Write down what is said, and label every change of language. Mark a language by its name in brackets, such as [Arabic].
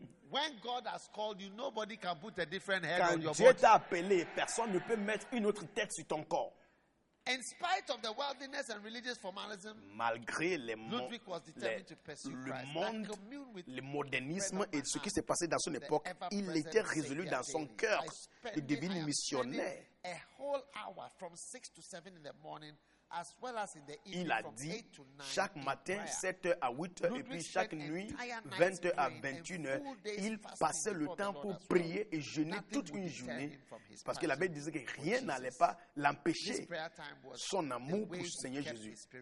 [English] When God has called you, nobody can put a different head [French] quand [English] on your [French] Dieu [English] body. [French] T'a appelé, personne ne peut mettre une autre tête sur ton corps. [English] In spite of the worldliness and religious formalism, [French] malgré [English] Ludwig was determined to pursue Christ. [French] Le monde, le modernisme et ce qui s'est passé dans son époque, il était résolu dans son cœur et devenu missionnaire. [English] A whole hour from 6 to 7 in the morning. As well as in the evening, [French] il a dit [English] from 8 to 9 [French] chaque matin 7h à 8h et puis chaque nuit 20h à 21h il passait le temps pour prier et jeûner toute une journée parce que la Bible disait que rien n'allait pas l'empêcher son amour pour le Seigneur Jésus.